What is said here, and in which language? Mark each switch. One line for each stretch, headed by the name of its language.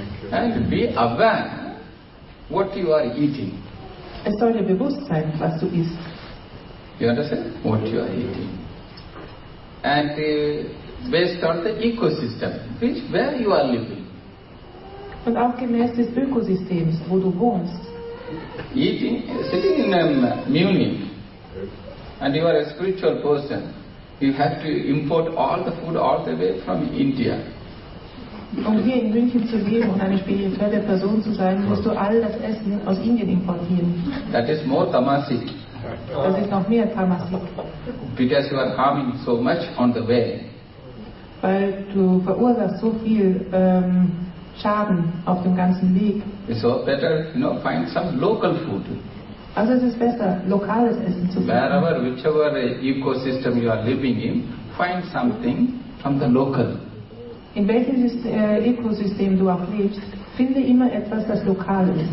English: And be aware what you are eating.
German: Es soll dir bewusst sein, was du isst.
English: You understand? What you are eating. And based on the ecosystem, where you are living.
German: Und auch gemäß des Ökosystems, wo du wohnst.
English: Eating, sitting in Munich, and you are a spiritual person. You have to import all the food all the way from India.
German: Um hier in München zu leben und eine spirituelle Person zu sein, musst du all das Essen aus Indien importieren.
English: That is more tamasic.
German: Das ist noch mehr tamasic.
English: Because you are harming so much on the way.
German: Weil du verursachst so viel Schaden auf dem ganzen Weg.
English: So better, you know, find some local food.
German: Also es ist besser, lokales Essen zu finden.
English: Wherever, whichever ecosystem you are living in, find something from the local.
German: In welchem Ökosystem du auch lebst, finde immer etwas, das lokal ist.